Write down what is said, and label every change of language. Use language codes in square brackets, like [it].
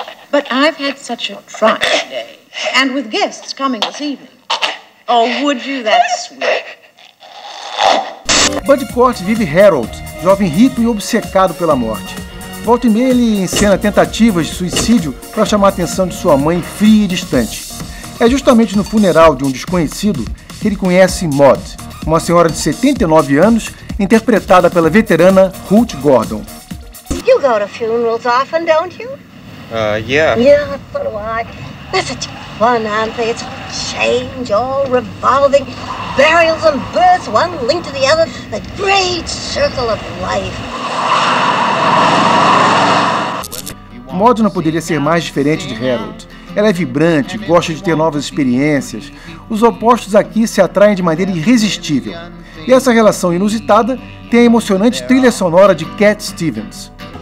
[en] But I've had such a trying day. And with guests coming this evening. Oh, would you? That's sweet. [pt] Bud Cort vive Harold, jovem rico e obcecado pela morte. Volta e meia ele encena tentativas de suicídio para chamar a atenção de sua mãe fria e distante. É justamente no funeral de um desconhecido que ele conhece Maude, uma senhora de 79 anos, interpretada pela veterana Ruth Gordon. [en] You go to funerals often, don't you? Yeah. Yeah, so do I. They're such fun, aren't they? It's all change, all revolving. Burials and births, one linked to the other. The great circle of life. [pt] Maude não poderia ser mais diferente de Harold. Ela é vibrante, gosta de ter novas experiências. Os opostos aqui se atraem de maneira irresistível. E essa relação inusitada tem a emocionante trilha sonora de Cat Stevens.